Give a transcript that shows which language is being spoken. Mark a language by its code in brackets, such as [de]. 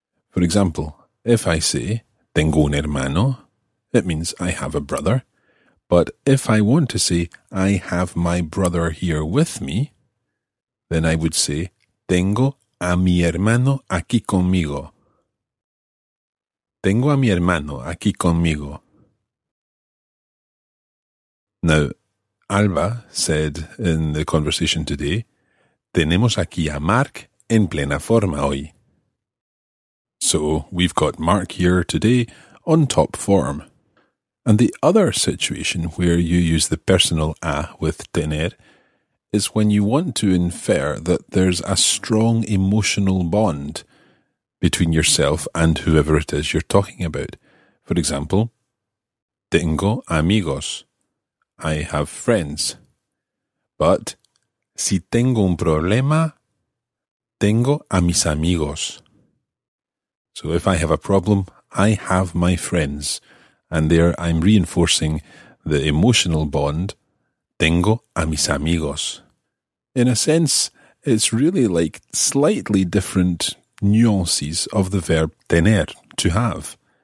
[en] For example, if I say, [es] tengo un hermano, [en] it means I have a brother. But if I want to say, I have my brother here with me, then I would say, [es] tengo a mi hermano aquí conmigo. Tengo a mi hermano aquí conmigo. [en] Now, Alba said in the conversation today, [es] tenemos aquí a Mark en plena forma hoy. [en] So, we've got Mark here today on top form. And the other situation where you use the personal a with tener is when you want to infer that there's a strong emotional bond between yourself and whoever it is you're talking about. For example, [es] tengo amigos. [en] I have friends. But, [es] si tengo un problema, tengo a mis amigos. [en] So if I have a problem, I have my friends. And there I'm reinforcing the emotional bond, [es] tengo a mis amigos. [en] In a sense, it's really like slightly different nuances of the verb tener, to have.